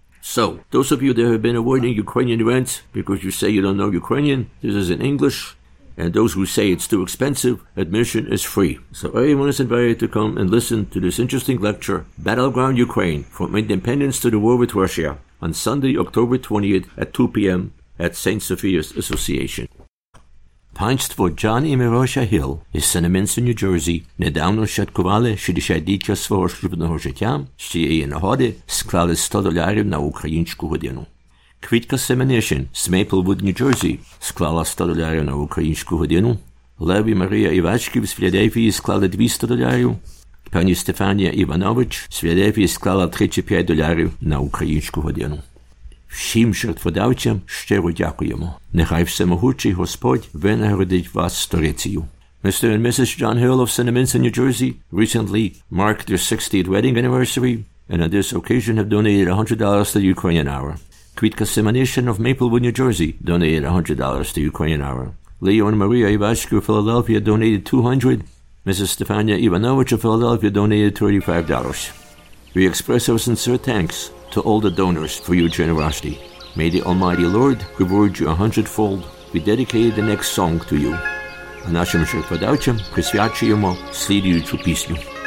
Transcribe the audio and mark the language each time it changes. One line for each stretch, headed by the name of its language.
English: So, those of you that have been avoiding Ukrainian events because you say you don't know Ukrainian, this is in English. And those who say it's too expensive, admission is free. So everyone is invited to come and listen to this interesting lecture, Battleground Ukraine, from independence to the war with Russia, on Sunday, October 20th at 2 p.m. at St. Sophia's Association.
Ukrainian: Панство Джан і Мироша Гіл із Сенемінсу, Нью-Джерсі, недавно святкували 60-річчя свого шлюбного життя. З цієї нагоди склали $100 на українську годину. Квітка Семенишин з Мейплвуд, Нью-Джерсі, склала $100 на українську годину. Леві Марія Івачків з Філадельфії склали $200. Пані Стефанія Іванович з Філадельфії склала $35 на українську годину. Всім жертводавцям щиро дякуємо. Нехай всемогучий Господь винагородить вас сторицею.
English: Mr. and Mrs. John Hill of Sinemins, Нью-Джерсі, recently marked their 60th wedding anniversary and on this occasion have donated $100 to the Ukrainian Hour. Квітка Семенишин of Maplewood, New Jersey, donated $100 to Ukrainian Hour. Leo and Maria Ivashko of Philadelphia donated $200. Mrs. Stefania Ivanovich of Philadelphia donated $35. We express our sincere thanks to all the donors for your generosity. May the Almighty Lord reward you 100-fold. We dedicated the next song to you.
Ukrainian: А нашим жертводавцям присвячуємо слідуючу пісню.